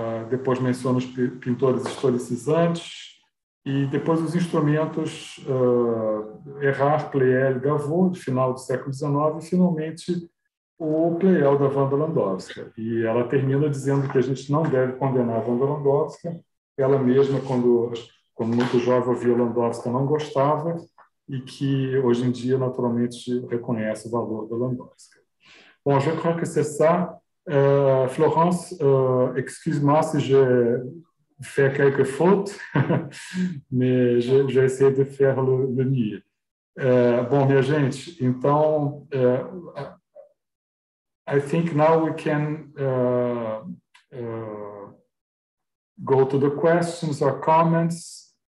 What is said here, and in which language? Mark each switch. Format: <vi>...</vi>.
<pt>Depois menciona os pintores historicizantes, e depois os instrumentos Erard, Pleyel, Gavot, do final do século XIX, e finalmente o Pleyel da Wanda Landowska. E ela termina dizendo que a gente não deve condenar a Wanda Landowska. Ela mesma, quando muito jovem, ouvia Landowska, não gostava, e que hoje em dia, naturalmente, reconhece o valor da Landowska.</pt> <fr>Bom, je crois que c'est ça. Florence, excuse-moi si j'ai fait quelque faute, mais j'ai essayé de faire le mieux.</fr> <pt>Bom, minha gente, então,</pt> <en>I think now we can go to the questions or comments.</en>